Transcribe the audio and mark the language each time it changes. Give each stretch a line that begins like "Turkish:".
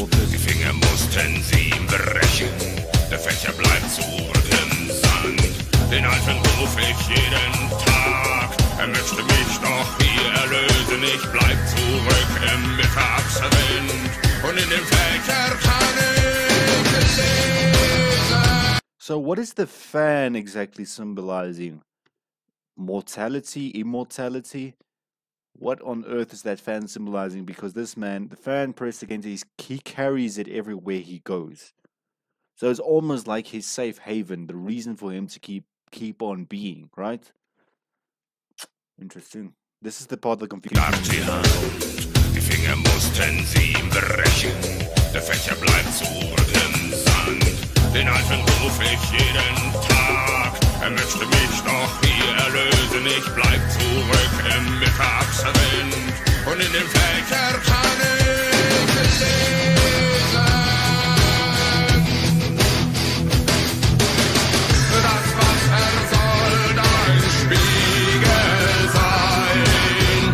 German: Die Finger mussten sie ihm brechen, der Fächer bleibt zurück im Sand. Den alten ruf ich jeden Tag, er möchte mich noch hier erlösen. Ich bleib zurück im Mittagswind und in dem Fächer kann ich lesen.
English: So what is the fan exactly symbolizing? Mortality? Immortality? What on earth is that fan symbolizing? Because this man, the fan pressed against his, he carries it everywhere he goes. So it's almost like his safe haven, the reason for him to keep on being, right? Interesting. This is the part of the confusion.
German: Er möchte mich noch hier erlösen. Ich bleib zurück im Mittagswind und in dem Fächer kann ich lesen. Das Wasser soll dein Spiegel sein.